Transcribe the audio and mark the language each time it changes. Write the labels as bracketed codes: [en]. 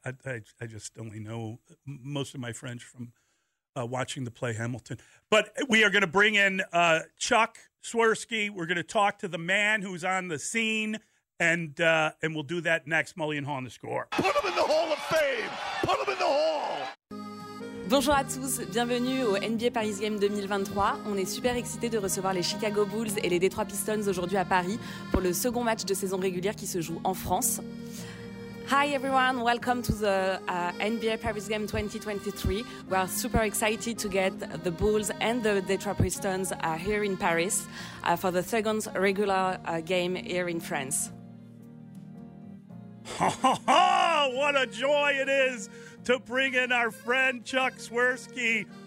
[en] I just only know most of my French from watching the play Hamilton. But we are going to bring in Chuck Swirsky. We're going to talk to the man who's on the scene, and we'll do that next. Mully and Haw on the Score. Put him in the Hall of Fame! Put him in the Hall! [fr] Bonjour à tous, bienvenue au NBA Paris Game 2023. On est super excités de recevoir les Chicago Bulls et les Detroit Pistons aujourd'hui à Paris pour le second match de saison régulière qui se joue en France. [en] Hi everyone, welcome to the NBA Paris Game 2023. We are super excited to get the Bulls and the Detroit Pistons here in Paris for the second regular game here in France. What a joy it is to bring in our friend Chuck Swirsky.